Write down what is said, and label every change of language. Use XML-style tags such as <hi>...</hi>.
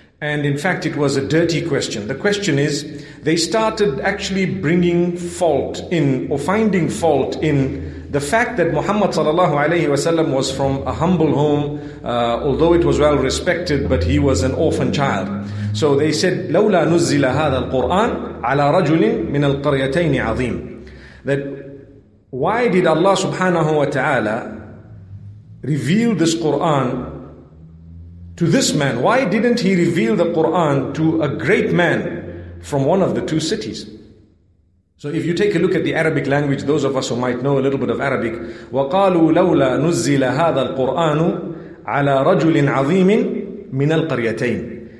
<en>And in fact, it was a dirty question. The question is, they started actually bringing fault in, or finding fault in, the fact that Muhammad sallallahu alayhi wa sallam was from a humble home, although it was well respected, but he was an orphan child. So they said,</en> <ar>لَوْلَا نُزِّلَ هَذَا الْقُرْآنَ عَلَىٰ رَجُلٍ مِنَ الْقَرْيَتَيْنِ عَظِيمٍ.</ar> <en>That why did Allah subhanahu wa ta'ala reveal this Qur'an to this man? Why didn't He reveal the Qur'an to a great man from one of the two cities? So if you take a look at the Arabic language, those of us who might know a little bit of Arabic,</en> <ar>وَقَالُوا لَوْلَا نُزِّلَ هَذَا الْقُرْآنُ عَلَىٰ رَجُلٍ عَظِيمٍ مِنَ الْقَرْيَتَيْنِ.</ar>